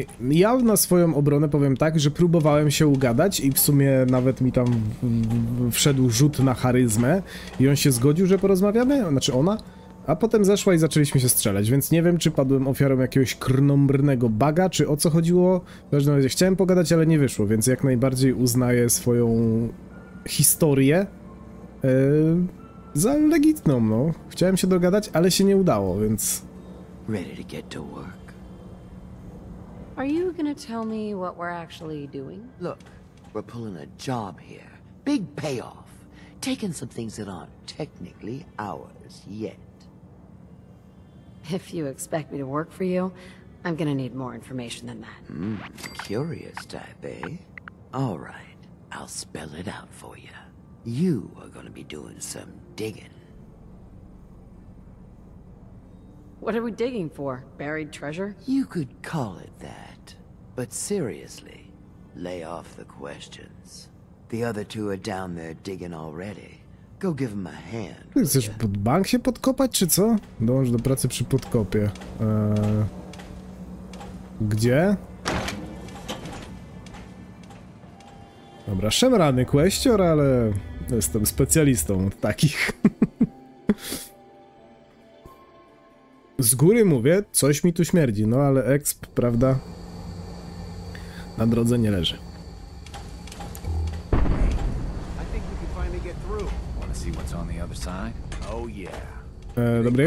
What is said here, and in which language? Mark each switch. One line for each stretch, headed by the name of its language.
Polish: Ja na swoją obronę powiem tak, że próbowałem się ugadać i w sumie nawet mi tam wszedł rzut na charyzmę i on się zgodził, że porozmawiamy, znaczy ona, a potem zeszła i zaczęliśmy się strzelać, więc nie wiem, czy padłem ofiarą jakiegoś krnąbrnego baga, czy o co chodziło. W każdym razie chciałem pogadać, ale nie wyszło, więc jak najbardziej uznaję swoją historię za legitną, no. Chciałem się dogadać, ale się nie udało, więc...
English: Ready to get to work. Are you gonna tell me what we're actually doing? Look, we're pulling a job here. Big payoff. Taking some things that aren't technically ours yet. If you expect me to work for you, I'm gonna need more information than that. Curious type, eh? All right, I'll spell it out for you. You are gonna be doing some digging. What are we digging for? Buried treasure? You could call it that. But seriously, lay off the questions. The other two are down there digging already. Go give them a hand.
Polish: Chcesz pod bank się podkopać, czy co? Dąż do pracy przy podkopie. Gdzie? Dobra, szemrany kwestior, ale jestem specjalistą od takich. Z góry mówię, coś mi tu śmierdzi, no ale exp, prawda? Na drodze nie leży.
English: I think we can finally get through. Wanna see what's on the other side? Oh yeah.
Polish: Dobry.